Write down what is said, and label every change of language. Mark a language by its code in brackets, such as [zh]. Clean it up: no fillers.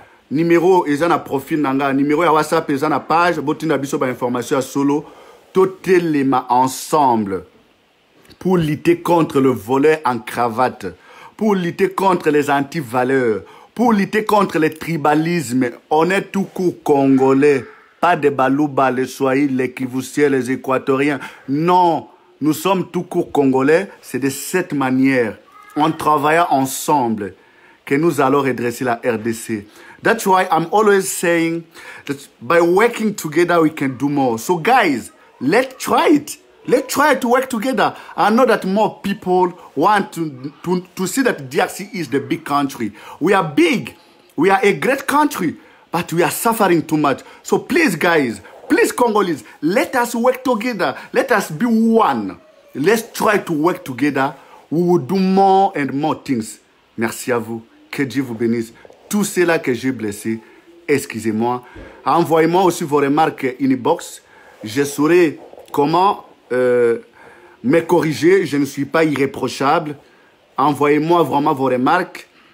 [ln] Numéro ezana profil nanga, numéro ya WhatsApp ezana page bo tina biso ba information à solo to téléma [fr] ensemble pour lutter contre le voleur en cravate, pour lutter contre les anti-valeurs, pour lutter contre le tribalisme. On est tout coup congolais. Pas des Balouba, les Swahili, les Kivusiens, les Équatoriens. Non, nous sommes tout court congolais. C'est de cette manière, en travaillant ensemble, que nous allons redresser la RDC. [en] That's why I'm always saying that by working together, we can do more. So guys, let's try it. Let's try to work together. I know that more people want to see that DRC is the big country. We are big. We are a great country. But we are suffering too much. So please, guys, please, Congolese, let us work together. Let us be one. Let's try to work together. We will do more and more things. [fr] Merci à vous. Que Dieu vous bénisse. Tout cela que j'ai blessé, excusez-moi. Envoyez-moi aussi vos remarques inbox. Je saurai comment me corriger. Je ne suis pas irréprochable. Envoyez-moi vraiment vos remarques.